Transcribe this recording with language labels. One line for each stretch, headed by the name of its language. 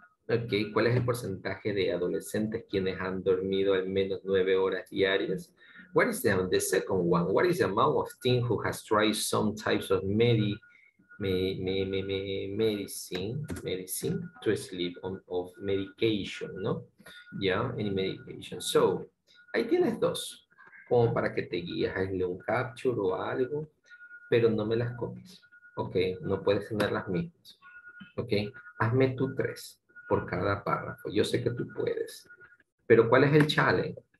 Spanish: Okay, ¿cuál es el porcentaje de adolescentes quienes han dormido al menos 9 horas diarias?
English: What is the second one? What is the amount of teen who has tried some types of medicine to sleep of medication, no? Yeah, any medication.
Spanish: So, ahí tienes dos, como para que te guíes, hazle un capture o algo, pero no me las copies, okay? No puedes tener las mismas, okay? Hazme tú tres. Por cada párrafo. Yo sé que tú puedes. Pero ¿cuál es el challenge?